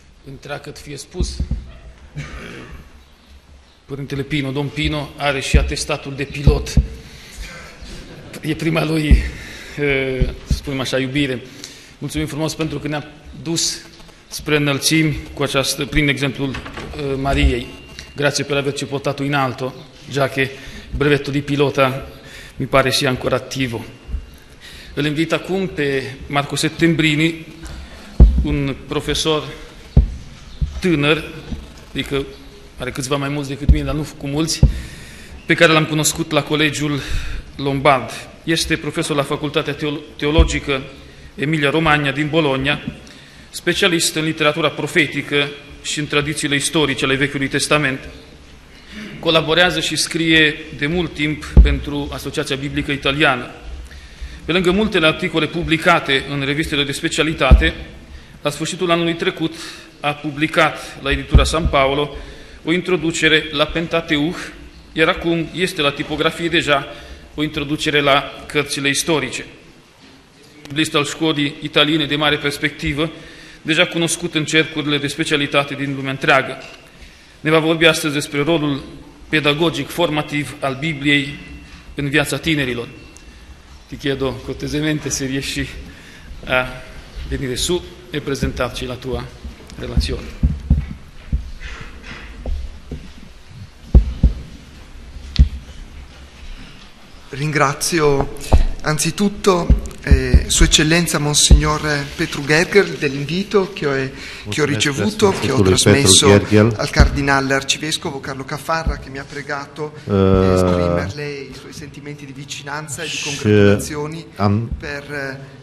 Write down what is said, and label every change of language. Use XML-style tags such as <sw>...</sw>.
<ro>Întreagă-te fie spus, Părintele Pino, domn Pino are și atestatul de pilot. E prima lui, să spunem așa, iubire. Mulțumim frumos pentru că ne-a dus spre înălțimi cu această, prin exemplul Mariei.</ro> <it>Grazie per averci portato in alto, già che brevetto di pilota mi pare sia ancora attivo.</it> <ro>Îl invit acum pe Marco Settembrini, un profesor tânăr, adică are câțiva mai mulți decât mine, dar nu cu mulți, pe care l-am cunoscut la Colegiul Lombard. Este profesor la Facultatea Teologică Emilia Romagna din Bologna, specialist în literatura profetică și în tradițiile istorice ale Vechiului Testament. Colaborează și scrie de mult timp pentru Asociația Biblică Italiană. Pe lângă multele articole publicate în revistele de specialitate, la sfârșitul anului trecut a publicat la editura San Paolo o introducere la Pentateuch, iar acum este la tipografie deja o introducere la cărțile istorice. Biblist al școlii italiene de mare perspectivă, deja cunoscut în cercurile de specialitate din lumea întreagă. Ne va vorbi astăzi despre rolul pedagogic formativ al Bibliei în viața tinerilor.</ro> <it>Ti chiedo cortesemente se riesci a venire su e presentarci la tua relazione. Ringrazio anzitutto Sua Eccellenza Monsignor Petru Gergel dell'invito che ho ricevuto, che ho trasmesso al Cardinale Arcivescovo Carlo Caffarra, che mi ha pregato di esprimerle i suoi sentimenti di vicinanza e di congratulazioni per</it>